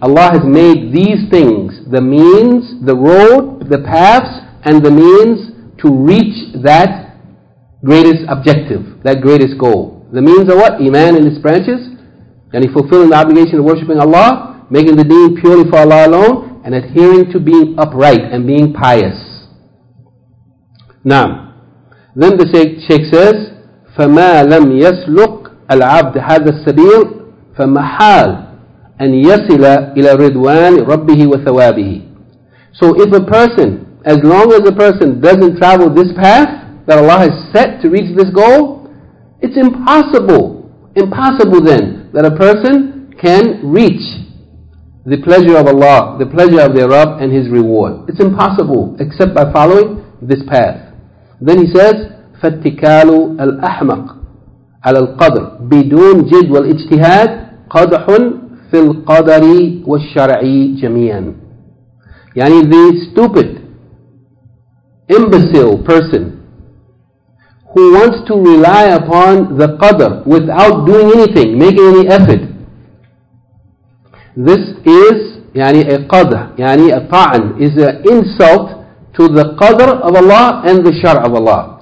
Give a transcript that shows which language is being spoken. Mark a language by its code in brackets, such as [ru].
[en] Allah has made these things, the means, the road, the paths, and the means to reach that greatest objective, that greatest goal. The means are what? Iman and its branches, and fulfilling the obligation of worshipping Allah, making the deen purely for Allah alone, and adhering to being upright and being pious. [ar] Naam. [en] Then the shaykh says, [ar] فَمَا لَمْ يَسْلُقْ الْعَبْدِ هَذَا السَّبِيلِ فَمَحَالٌ أَنْ يَصِلَ إِلَى رِضْوَانِ رَبِّهِ وَثَوَابِهِ. [en] So if a person, as long as a person doesn't travel this path that Allah has set to reach this goal, it's impossible then that a person can reach the pleasure of Allah, the pleasure of their Rabb and His reward. It's impossible except by following this path. Then he says, [ar] فَاتِّكَالُ الْأَحْمَقُ عَلَى الْقَدْرِ بِدُونَ جِدْ وَالْإِجْتِهَادِ قَدْحٌ في القدر والشرع جميعا. [en] يعني the stupid imbecile person who wants to rely upon the qadr without doing anything, making any effort. This is يعني a qadr, يعني a ta'an, is an insult to the qadr of Allah and the shar' of Allah.